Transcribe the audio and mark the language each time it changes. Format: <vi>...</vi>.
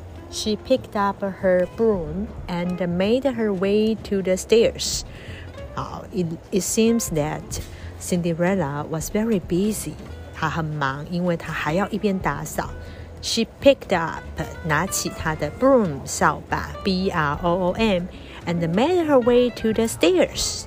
<en>She picked up her broom and made her way to the stairs. It seems that Cinderella was very busy.</en> <zh>她很忙，因为她还要一边打扫。</zh> <en>She picked up,</en> <zh>拿起她的</zh> <en>broom,</en> <zh>扫把</zh> <en>B-R-O-O-M, and made her way to the stairs.</en>